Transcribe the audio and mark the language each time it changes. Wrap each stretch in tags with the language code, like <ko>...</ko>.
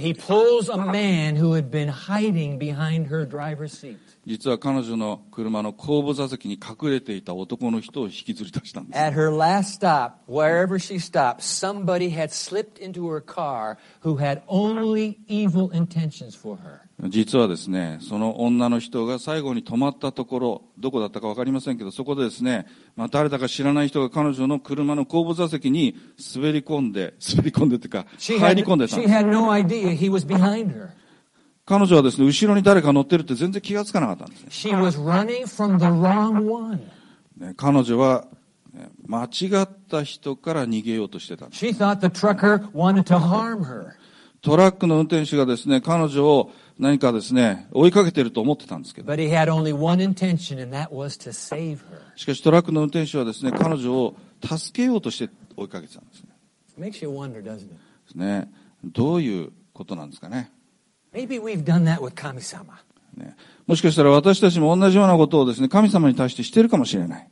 <en>And he pulls a man who had been hiding behind her driver's seat.</en> <ja>実は彼女の車の後部座席に隠れていた男の人を引きずり出したんです。</ja> <en>At her last stop, wherever she stopped, somebody had slipped into her car who had only evil intentions for her.</en> <ja>実はですね、その女の人が最後に止まったところ、どこだったか分かりませんけど、そこでですね、まあ、誰だか知らない人が彼女の車の後部座席に滑り込んでというか、入り込んでた。</ja> <en>She had no idea he was behind her.</en> <ja>彼女はですね、後ろに誰か乗ってるって全然気がつかなかったんですね。</ja> <en>She was running from the wrong one.</en> <ja>ね、彼女は、ね、間違った人から逃げようとしてたんです。</ja> <en>She thought the trucker wanted to harm her.</en> <ja>トラックの運転手がですね、彼女を何かですね、追いかけてると思ってたんですけど。</ja> <en>But he had only one intention, and that was to save her.</en> <ja>しかしトラックの運転手はですね、彼女を助けようとして追いかけてたんですね。</ja> <en>It makes you wonder, doesn't it?</en> <ja>ですね、どういうことなんですかね。</ja> <en>Maybe we've done that with 神様。</en> <ja>ね、もしかしたら私たちも同じようなことをですね、神様に対してしているかもしれない。</ja>